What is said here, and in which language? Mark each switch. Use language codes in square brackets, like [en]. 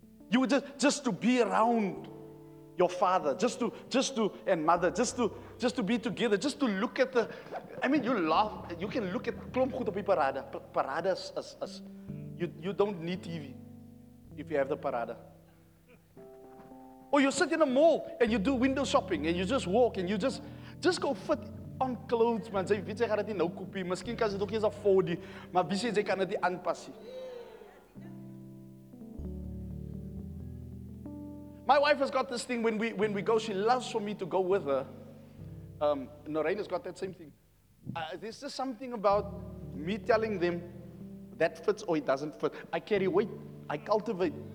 [en] You would just to be around your father, just to, and mother, just to be together, just to look at the, I mean, you laugh, you can look at [af] klomp goed op die parade. [en] Parade is, you don't need TV if you have the parade. Or you sit in a mall and you do window shopping and you just walk and you just go fit on clothes, man. [af] Say, weet jy, gaan dit nie nou koop nie. Miskien kan dit ook eens afford nie. Maar wie sê jy kan dit nie aanpas nie. [en] My wife has got this thing when we go, she loves for me to go with her. Noreen has got that same thing. There's just something about me telling them that fits or it doesn't fit. I carry weight. I cultivate.